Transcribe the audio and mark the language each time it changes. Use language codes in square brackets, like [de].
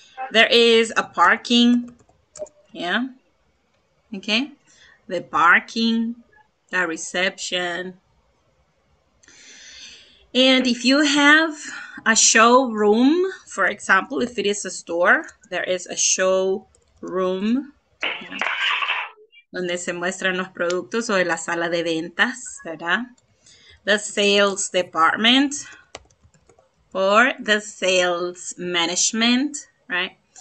[en] There is a parking, yeah? Okay, the parking, the reception. And if you have a showroom, for example, if it is a store, there is a showroom. Yeah. [es] Donde se muestran los productos o en la sala de ventas, ¿verdad? [en] The sales department or the sales management, right?